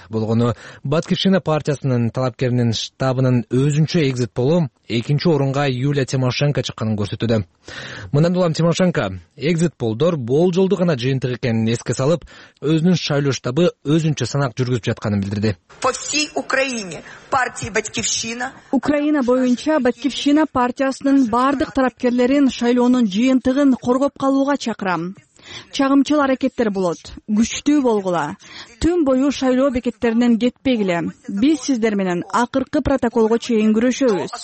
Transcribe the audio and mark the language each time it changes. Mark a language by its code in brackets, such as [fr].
[ky] Болгону Баткишина партиясынын талапкеринин штабынын өзүнчө экзит полу экинчи орунга Юлия Тимошенко чыкканын көрсөтүдө. Мындан улам Тимошенко экзит полдор болжолду гана жыйынтык экенин эске салып, өзүнүн шайлоо штабы өзүнчө санак жүргүзүп жатканын билдирди. [ru] По всей Украине партия Баткишина. [ky] Украина боюнча Баткишина партиясынын бардык тарапкерлерин шайлоонун жыйынтыгын коргоп калууга чакырам. Чагымчыл аракеттер болот. Күчтүү болгула. Түн бою шайлоо бекеттеринен кетпегиле. Биз сиздер менен акыркы протоколго чейин күрөшөбүз.